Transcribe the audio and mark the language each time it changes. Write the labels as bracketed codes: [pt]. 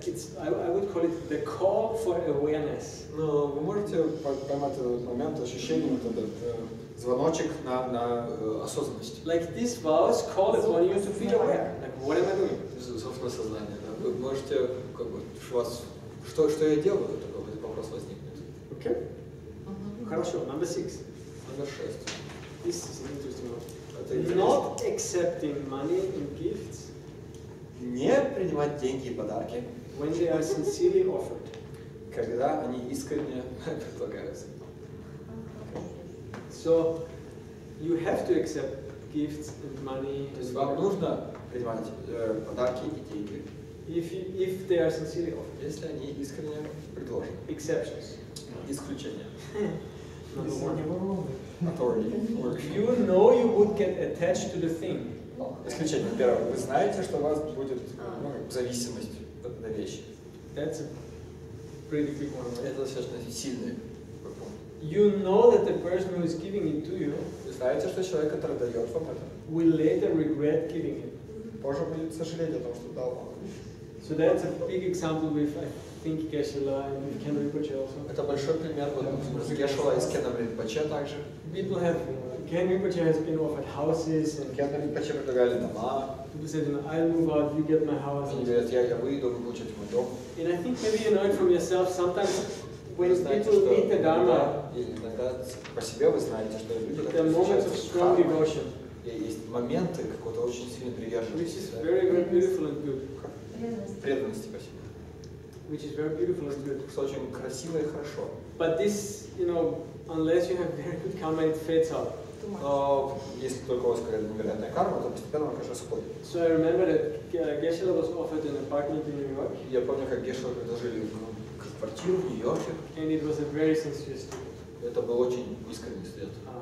[en] It's I would call it the call for awareness. No, [ru] вы можете поймать этот момент ощущение, вот этот звоночек на осознанность. [en] Like this vows call upon you to feel aware. Like what am I doing? [ru] Собственно, сознание. Вы можете как бы вас что я делаю? Такой вопрос возникнет. [en] Okay. [ru] Хорошо. [en] Number six. Number six. This is an interesting one. Not accepting money and gifts. [ru] Не принимать деньги и подарки, [en] when they are sincerely offered. [ru] Когда они искренне предлагаются. [en] So you have to accept gifts and money. [ru] То есть вам нужно принимать подарки и деньги. [en] If they are sincerely offered. [ru] Если они искренне предложены. [en] Exceptions. [ru] Исключения. [en] Authority. You know you would get attached to the thing. [ru] Исключение первое. Вы знаете, что у вас будет зависимость на вещи. [en] That's a pretty big one. [ru] Это достаточно сильный. [en] You know that the person who is giving it to you. [ru] Вы знаете, что человек, который дает вам это. [en] Will later regret giving it. [ru] Позже будет сожалеть о том, что дал вам. [en] So that's a big example with I think Geshe-la and Ken Rinpoche also. [ru] Это большой пример вот с Geshe-la и с Кеном Ринпоче также. [en] People have. Ken Rinpoche has been offered houses and [ru] Ken Rinpoche предлагали дома. [en] People said, I'll move out, you get my house. [ru] Они говорят, я выйду, вы получите мой дом. [en] And I think maybe you know it from yourself, sometimes when people meet the Dharma, [ru] иногда по себе вы знаете, что люди, которые встречаются с Dharma, [en] strong devotion. [ru] Есть моменты какого-то очень сильной приверженности. [en] Which is very, very beautiful and good. [ru] Преданности по себе. [en] Which is very beautiful and good. [ru] Что очень красиво и хорошо. [en] But this, you know, unless you have very good karma, it fades out. [ru] Но если только у вас какая-то невероятная карма, то постепенно она, конечно, сходит. [en] So I remember that Geshe-la was offered an apartment in New York. [ru] Я помню, как Geshe-la предложили квартиру в Нью-Йорке. [en] And it was a very sincere student. [ru] Это был очень искренний студент.